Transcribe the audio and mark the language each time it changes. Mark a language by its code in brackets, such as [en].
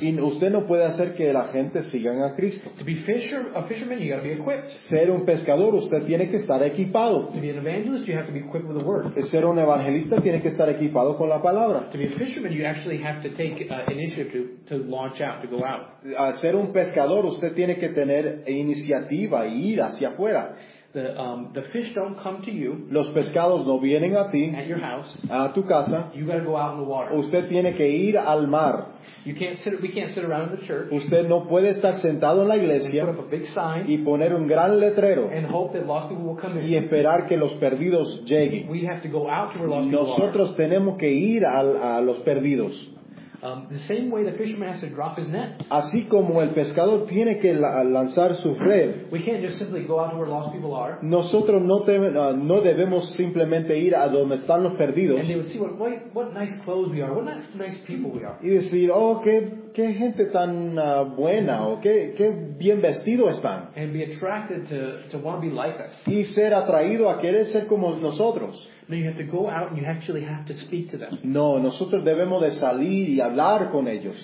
[es] Y usted no puede hacer que la gente sigan a Cristo. [en] To be a fisherman, you got to be equipped. [es] Ser un pescador, usted tiene que estar equipado. [en] To be an evangelist, you have to be equipped with the word. [es] Ser un evangelista, tiene que estar equipado con la palabra. [en] To be a fisherman, you actually have to take initiative to launch out, to go out. [es] Ser un pescador, usted tiene que tener iniciativa e ir hacia afuera. [en] The fish don't come to you. [es] Los pescados no vienen a ti. [en] At your house. [es] A tu casa. [en] You gotta go out in the water. [es] Usted tiene que ir al mar. [en] We can't sit around in the church. [es] Usted no puede estar sentado en la iglesia. [en] And put up a big sign. [es] Y poner un gran letrero. [en] And hope that lost people will come in. [es] Y esperar que los perdidos lleguen. [en] We have to go out to where lost [es] Nosotros [en] people are. [es] Tenemos que ir a los perdidos. [en] The same way the fisherman has to drop his net. [es] Así como el pescador tiene que lanzar su red. [en] We can't just simply go out to where lost people are. [es] Nosotros no debemos simplemente ir a donde están los perdidos. [en] And they would see what nice clothes we are, what nice people we are. [es] Y decir, oh, qué gente tan buena, o qué bien vestido están. [en] And be attracted to want to be like us. [es] Y ser atraído a querer ser como nosotros. [en] No, you have to go out and you actually have to speak to them. [es] No, nosotros debemos de salir y hablar con ellos.